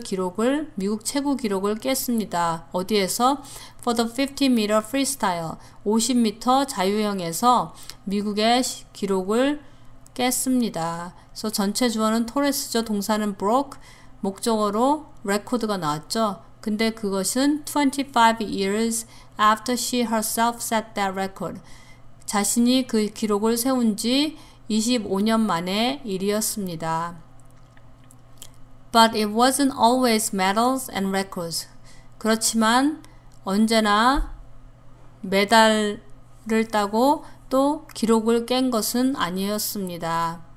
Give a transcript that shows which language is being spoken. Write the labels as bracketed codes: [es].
[ko] 기록을, 미국 최고 기록을 깼습니다. 어디에서? [en] For the 50m freestyle, [ko] 50m 자유형에서 미국의 기록을 깼습니다. 그래서 전체 주어는 토레스죠. 동사는 broke, 목적어로 record가 나왔죠. 근데 그것은 [en] 25 years after she herself set that record. [ko] 자신이 그 기록을 세운 지 25년 만의 일이었습니다. [en] But it wasn't always medals and records. [ko] 그렇지만 언제나 메달을 따고 또 기록을 깬 것은 아니었습니다.